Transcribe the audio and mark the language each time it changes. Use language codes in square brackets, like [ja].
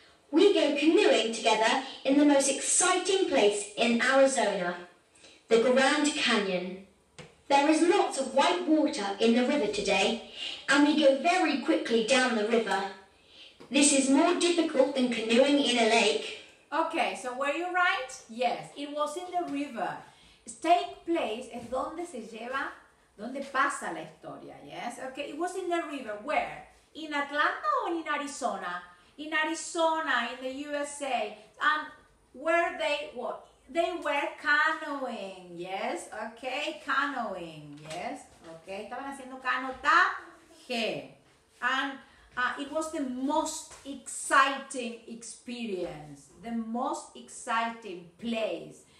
[en] We go canoeing together in the most exciting place in Arizona, the Grand Canyon. There is lots of white water in the river today, and we go very quickly down the river. This is more difficult than canoeing in a lake. Okay, so were you right? Yes, it was in the river. [es] Take place es donde se lleva, donde pasa la historia, yes? [en] Okay, it was in the river. Where? In Atlanta or in Arizona? In Arizona, in the USA, and where they were canoeing, yes, okay, canoeing, yes, okay, [es] estaban haciendo canotaje, [en] and it was the most exciting experience, the most exciting place.